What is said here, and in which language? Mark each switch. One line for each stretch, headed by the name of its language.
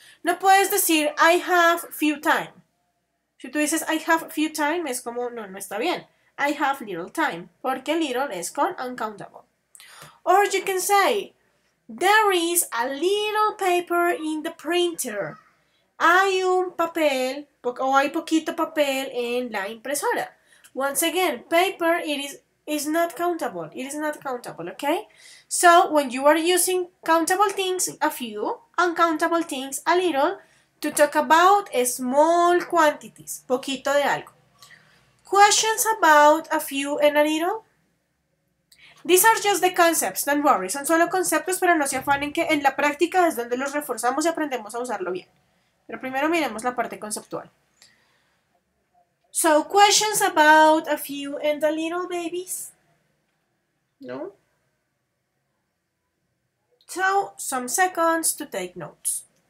Spanish: No puedes decir,
English: I have few time.
Spanish: Si tú dices, I have few time, es como, no, no está bien.
English: I have little time.
Spanish: Porque little es con
English: uncountable. Or you can say, there is a little paper in the printer.
Spanish: Hay un papel, o hay poquito papel en la impresora.
English: Once again, paper, it is not countable. It is not countable, okay? So, when you are using countable things, a few, uncountable things, a little, to talk about small quantities,
Spanish: poquito de algo.
English: Questions about a few and a little? These are just the concepts, don't worry.
Spanish: Son solo conceptos, pero no se afanen que en la práctica es donde los reforzamos y aprendemos a usarlo bien. Pero primero miremos la parte conceptual.
English: So, questions about a few and a little babies? No. So, some seconds to take notes.